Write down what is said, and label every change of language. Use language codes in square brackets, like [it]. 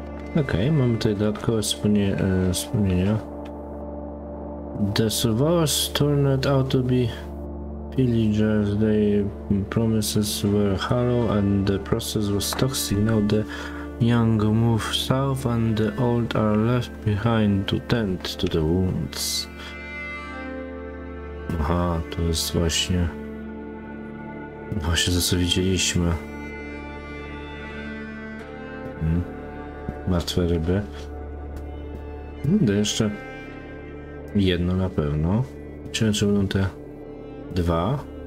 [pl] Okej, okay, mamy tutaj dodatkowe wspomnienia. [en] The survivors turned out to be pillagers. Their promises were hollow and the process was toxic. Now the young move south and the old are left behind to tend to the wounds. [pl] Aha, to jest właśnie... Właśnie to, co widzieliśmy. Martwe ryby. Będę jeszcze jedno na pewno. Czy będą te dwa?